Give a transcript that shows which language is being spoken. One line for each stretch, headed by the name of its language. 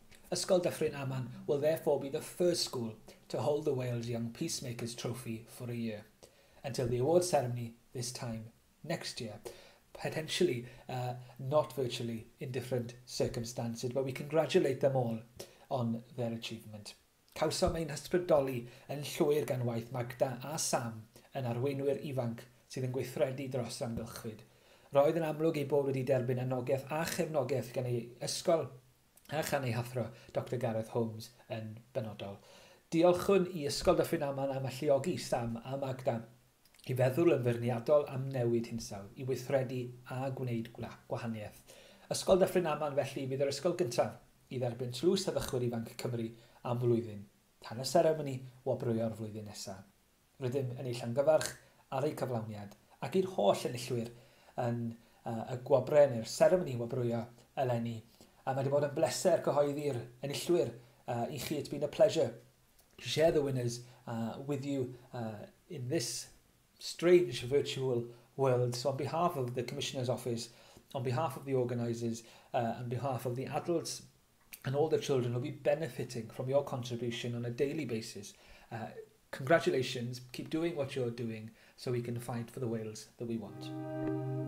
English: Ysgol Dyffryn Aman will therefore be the first school to hold the Wales Young Peacemakers Trophy for a year, until the awards ceremony this time next year, potentially not virtually in different circumstances, but we congratulate them all on their achievement.
Welsh: Cawsom ein hysbrydoli yn llwyr gan waith Magda a Sam yn arweinwyr ifanc sydd yn gweithredu dros amgylchwyd. Roedd yn amlwg ei bod wedi derbyn anogaeth a chefnogaeth gan ei ysgol a chan ei hathro Dr Gareth Holmes yn benodol. Diolchwn i Ysgol Dyffryn Aman am alluogi Sam a Magda i feddwl yn fyrniadol am newid hinsawdd, i weithredu a gwneud gwahaniaeth. Ysgol Dyffryn Aman felly bydd yr ysgol gyntaf i dderbyn tlws a ddychwyr ifanc Cymru am flwyddyn. Tan y seremoni wobrwyo'r flwyddyn nesaf. Rydym yn ei llongyfarch ar ei cyflawniad ac i'r holl enillwyr yn y gwobrau neu'r seremoni wobrwyo eleni. A mae wedi bod yn bleser cyhoeddi'r enillwyr i chi.
English: It's been a pleasure to share the winners with you in this strange virtual world. So on behalf of the Commissioner's Office, on behalf of the organisers, on behalf of the adults and all the children who will be benefiting from your contribution on a daily basis, congratulations, keep doing what you're doing so we can fight for the Wales that we want.